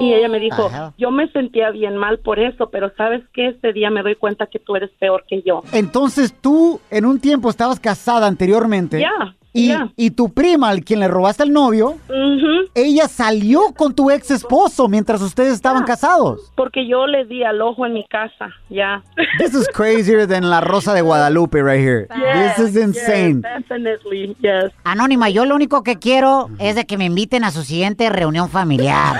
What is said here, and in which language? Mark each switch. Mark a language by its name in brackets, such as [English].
[Spanish] Y ella me dijo, yo me sentía bien mal por eso, pero ¿sabes qué? Día me doy cuenta que tú eres peor que yo. Entonces tú en un tiempo estabas casada anteriormente. [English] Yeah. [Spanish] Y tu prima, al quien le robaste el novio, ella salió con tu ex esposo mientras ustedes estaban casados. Porque yo le di al ojo en mi casa, [English] This is crazier than La Rosa de Guadalupe right here. Yes, this is insane. Yes, definitely, yes. [Spanish] Anónima, yo lo único que quiero es de que me inviten a su siguiente reunión familiar.